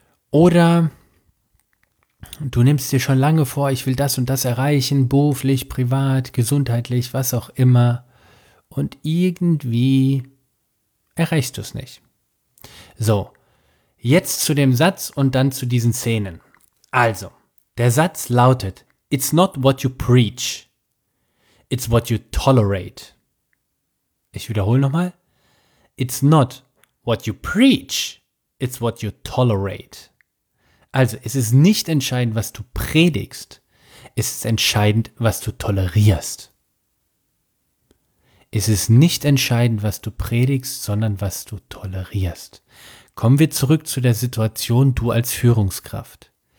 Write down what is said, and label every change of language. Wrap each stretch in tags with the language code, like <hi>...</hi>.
<de>Oder du nimmst dir schon lange vor, ich will das und das erreichen, beruflich, privat, gesundheitlich, was auch immer. Und irgendwie erreichst du es nicht. So, jetzt zu dem Satz und dann zu diesen Szenen. Also, der Satz lautet,</de> <en>it's not what you preach, it's what you tolerate.</en> <de>Ich wiederhole nochmal.</de> <en>It's not what you preach, it's what you tolerate.</en> <de>Also, es ist nicht entscheidend, was du predigst, es ist entscheidend, was du tolerierst. Es ist nicht entscheidend, was du predigst, sondern was du tolerierst. Kommen wir zurück zu der Situation, du als Führungskraft.</de>